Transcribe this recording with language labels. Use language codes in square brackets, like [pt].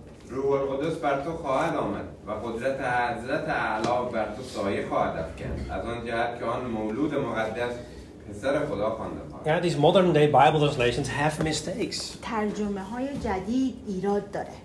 [fa] روح القدس بر تو خواهد آمد و قدرت حضرت اعلی بر تو سایه خواهد افکند از آن جهت که آن مولود مقدس پسر خدا خوانده خواهد. [en] Yeah, these modern day Bible translations have mistakes. [fa] ترجمه های جدید ایراد داره.